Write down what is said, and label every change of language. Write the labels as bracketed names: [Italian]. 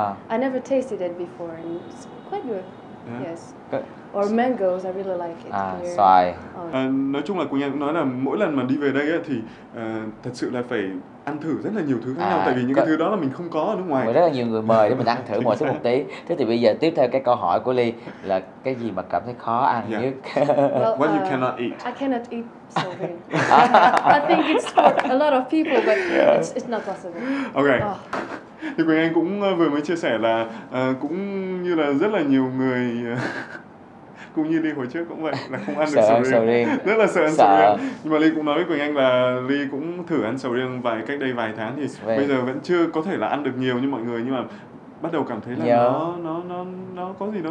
[English] I never tasted it before, and it's quite good. Yeah. Yes. Or mangoes, I really like it. [Vietnamese] Xoài. Nói chung là Quỳnh Anh cũng nói là mỗi lần mà đi về đây ấy, thì thật sự là phải ăn thử rất là nhiều thứ khác nhau, tại vì những cái thứ đó là mình không có ở nước ngoài. Rồi rất là nhiều người mời để mình ăn thử mọi thứ một tí. Thế thì bây giờ tiếp theo cái câu hỏi của Ly là cái gì mà cảm thấy khó ăn nhất? [English] Well, what you cannot eat. I cannot eat so big. I think it's for a lot of people, but it's not possible. Okay. [Vietnamese] Thì Quỳnh Anh cũng vừa mới chia sẻ là cũng như là rất là nhiều người cũng như Ly hồi trước cũng vậy, là không ăn được sầu riêng. Rất là sợ ăn sầu riêng. Nhưng mà Ly cũng nói với Quỳnh Anh là Ly cũng thử ăn sầu riêng cách đây vài tháng, thì bây giờ vẫn chưa có thể là ăn được nhiều như mọi người, nhưng mà bắt đầu cảm thấy là nó có gì đó